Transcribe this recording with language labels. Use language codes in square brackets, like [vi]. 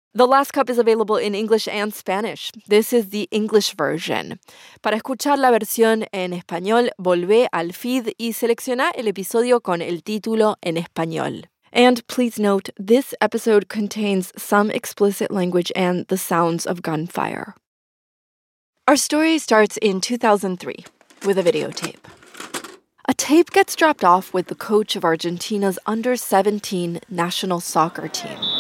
[en] The Last Cup is available in English and Spanish. This is the English version. [es] Para escuchar la versión en español, volvé al feed y selecciona el episodio con el título en español. [en] And please note, this episode contains some explicit language and the sounds of gunfire. Our story starts in 2003 with a videotape. A tape gets dropped off with the coach of Argentina's under-17 national soccer team.